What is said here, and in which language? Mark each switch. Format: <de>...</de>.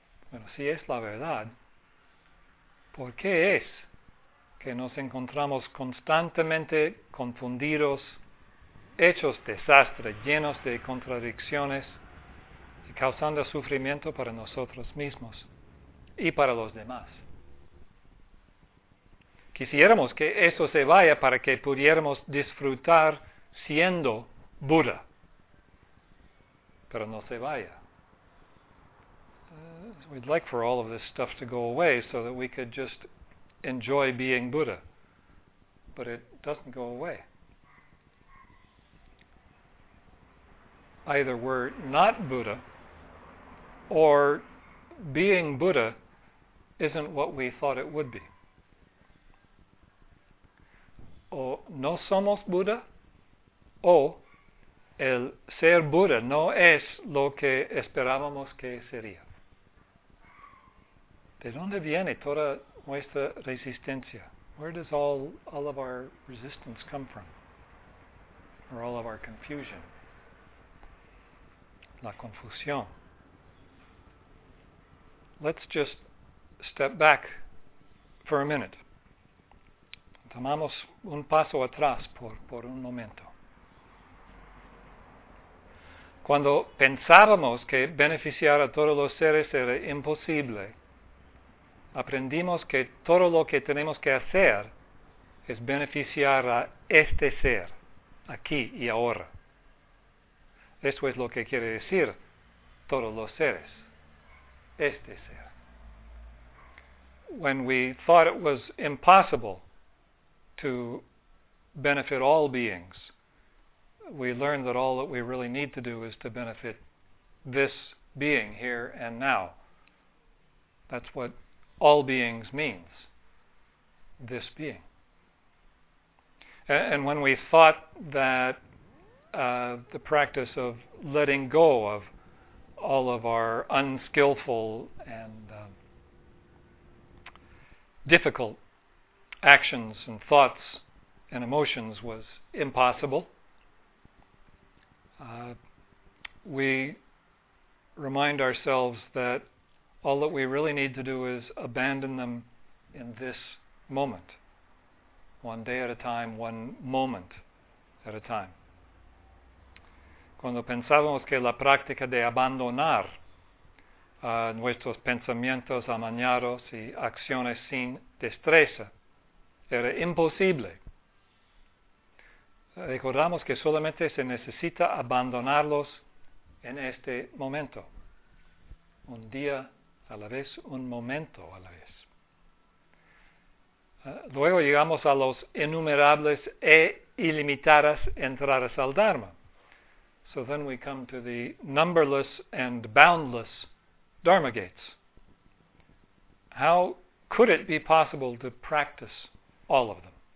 <es>Bueno, si es la verdad, ¿por qué es que nos encontramos constantemente confundidos, hechos desastres, llenos de contradicciones y causando sufrimiento para nosotros mismos y para los demás? Quisiéramos que eso se vaya para que pudiéramos disfrutar siendo Buda, pero no se vaya.</es> <en>We'd like for all of this stuff to go away so that we could just enjoy being Buddha, but it doesn't go away. Either we're not Buddha, or being Buddha isn't what we thought it would be.</en> <es>O no somos Buda, o el ser Buda no es lo que esperábamos que sería. ¿De dónde viene toda nuestra resistencia?</es> <en>Where does all of our resistance come from? Or all of our confusion?</en> <es>La confusión.</es> <en>Let's just step back for a minute.</en> <es>Tomamos un paso atrás por un momento. Cuando pensábamos que beneficiar a todos los seres era imposible, aprendimos que todo lo que tenemos que hacer es beneficiar a este ser, aquí y ahora. Esto es lo que quiere decir todos los seres, este ser.</es> <en>When we thought it was impossible to benefit all beings, we learned that all that we really need to do is to benefit this being here and now. That's what all beings means, this being. And when we thought that the practice of letting go of all of our unskillful and difficult actions and thoughts and emotions was impossible, we remind ourselves that all that we really need to do is abandon them in this moment, one day at a time, one moment at a time.</en> <es>Cuando pensábamos que la práctica de abandonar nuestros pensamientos amañados y acciones sin destreza era imposible, recordamos que solamente se necesita abandonarlos en este momento, un día a la vez, un momento a la vez. Luego llegamos a los innumerables e ilimitadas entradas al Dharma.</es> <en>So then we come to the numberless and boundless Dharma gates. How could it be possible to practice all of them?</en>